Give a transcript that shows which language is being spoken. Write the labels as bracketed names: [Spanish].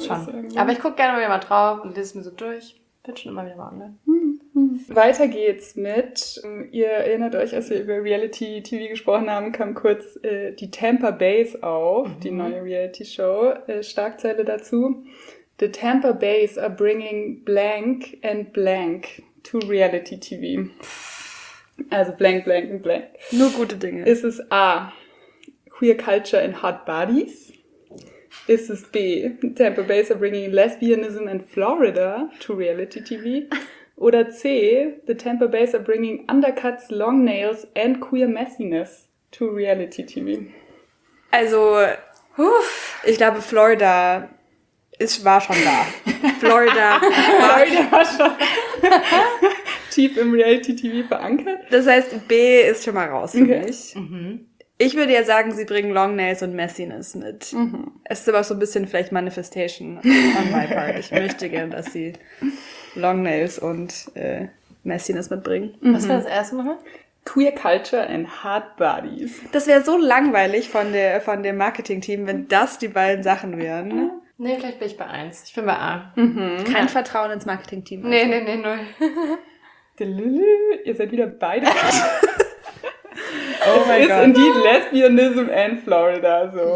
[German] Schon. Aber ich gucke gerne mal wieder mal drauf und lese es mir so durch. Bin schon immer wieder mal online. Weiter geht's mit, ihr erinnert euch, als wir über Reality-TV gesprochen haben, kam kurz die Tampa Bays auf, die neue Reality-Show, Schlagzeile dazu. [English] The Tampa Bays are bringing blank and blank to Reality-TV. [German] Also blank, blank und blank. Nur gute Dinge. Ist es A, [English] queer culture and hot bodies? [German] Ist es B, [English] Tampa Bays are bringing lesbianism and Florida to Reality-TV? Oder C, the Tampa Bays are bringing undercuts, long nails and queer messiness to reality TV. [German] Also, ich glaube, Florida war schon da. Florida war schon tief im reality TV verankert. Das heißt, B ist schon mal raus für mich. Ich würde ja sagen, sie bringen [English] long nails und messiness [German] mit. Es ist aber so ein bisschen vielleicht Manifestation [English] on my part. [German] Ich möchte gerne, dass sie [English] Long Nails und Messiness [German] mitbringen. Was wäre das erste Mal? [English] Queer Culture and Hard Bodies. [German] Das wäre so langweilig von dem Marketing-Team, wenn das die beiden Sachen wären. Nee, vielleicht bin ich bei 1. Ich bin bei A. Kein Vertrauen ins Marketing-Team. Also. Nee, null. Ihr seid wieder beide. Oh mein Gott. Es ist [English] indeed Lesbianism and Florida. [German] So.